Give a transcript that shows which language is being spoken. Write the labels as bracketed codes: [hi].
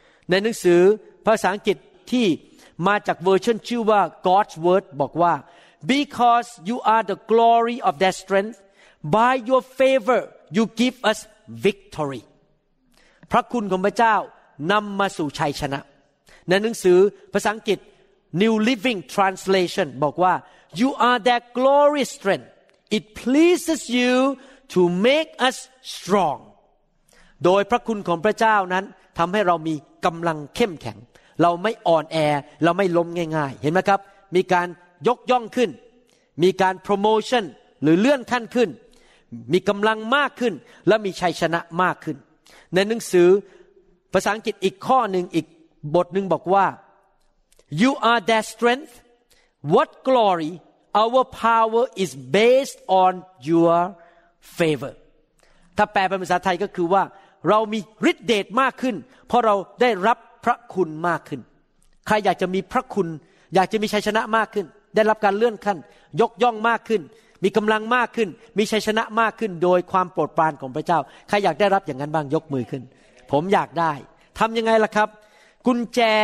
[th] ในหนังสือภาษาอังกฤษที่มาจากเวอร์ชันชื่อว่า God's Word บอกว่า [en] Because you are the glory of their strength by your favor you give us victory [th] พระคุณของพระเจ้านำมาสู่ชัยชนะในหนังสือภาษาอังกฤษNew Living Translation บอกว่า [en] You are their glorious strength. It pleases you to make us strong. [th] โดยพระคุณของพระเจ้านั้นทำให้เรามีกำลังเข้มแข็งเราไม่อ่อนแอเราไม่ล้มง่ายๆเห็นไหมครับมีการยกย่องขึ้นมีการโปรโมชั่นหรือเลื่อนขั้นขึ้นมีกำลังมากขึ้นและมีชัยชนะมากขึ้นในหนังสือภาษาอังกฤษอีกข้อหนึ่งอีกบทหนึ่งบอกว่า [en] You are their strength. What glory? Our power is based on your favor. [th] ถ้าแปลเป็นภาษาไทยก็คือว่าเรามีฤทธิ์เดชมากขึ้นเพราะเราได้รับพระคุณมากขึ้นใครอยากจะมีพระคุณอยากจะมีชัยชนะมากขึ้นได้รับการเลื่อนขั้นยกย่องมากขึ้นมีกำลังมากขึ้นมีชัยชนะมากขึ้นโดยความโปรดปรานของพระเจ้าใครอยากได้รับอย่างนั้นบ้างยกมือขึ้นผมอยากได้ทำยังไงล่ะครับกุญแจ